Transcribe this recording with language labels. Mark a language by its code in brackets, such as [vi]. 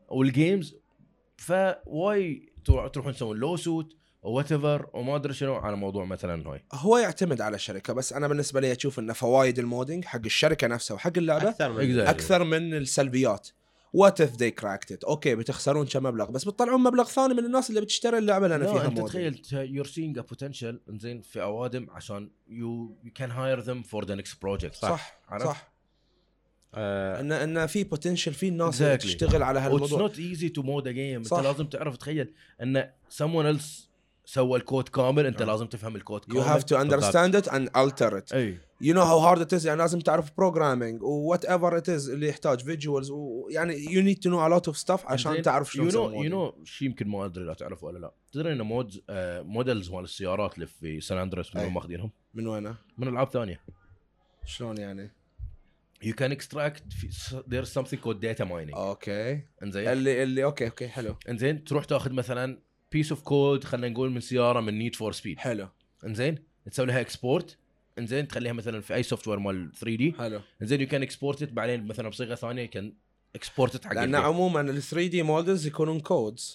[ar] والجيمز فواي تروحون تسوون لو سوت أو واتفر وما أدري شنو على موضوع مثلا هاي هو يعتمد على الشركة بس أنا بالنسبة لي أشوف أن فوائد المودينج حق الشركة نفسها وحق اللعبة أكثر من السلبيات [en] What if they cracked it؟ [ar] أوكي بتخسرون كم مبلغ بس بتطلعون مبلغ ثاني من الناس اللي بتشتري اللعبة لأن فيها مودينج. تخيل [en] you're seeing a potential [ar] إنزين في أوادم عشان [en] you can hire them for the next project. [ar] صح. صح. إن في potential في الناس [en] exactly. [ar] اللي تشتغل على هالموضوع. [en] It's not easy to mod a game. [ar] صح. أنت لازم تعرف تخيل إن [en] someone else [ar] سوى الكود كامل أنت لازم تفهم الكود. [en] You have to understand it and alter it. [ar] أي. [en] You know how hard it is. [ar] يعني لازم تعرف [en] programming or whatever it is [ar] اللي يحتاج [en] visuals. [ar] ويعني [en] you need to know a lot of stuff [ar] عشان تعرف شو. [en] You know [ar] شيء يمكن ما أدري لا تعرفه ولا لا. تدري إن مود models مال السيارات اللي في سان أندريس من وين ماخذينهم؟ من وينه؟ من ألعاب ثانية. شلون يعني؟ [en] You can extract there's something called data mining. Okay. [ar] إنزين. اللي okay حلو. إنزين تروح تأخذ مثلاً [en] piece of code [ar] خلنا نقول من سيارة من Need for Speed. حلو. إنزين تسوي لها export. انزين تخليها مثلا في اي سوفت وير مال 3D حلو انزين [en] you can export it [ar] بعدين مثلا بصيغه ثانيه [en] can export it حق [ar] لان عموما ال 3D مودلز يكونون كودز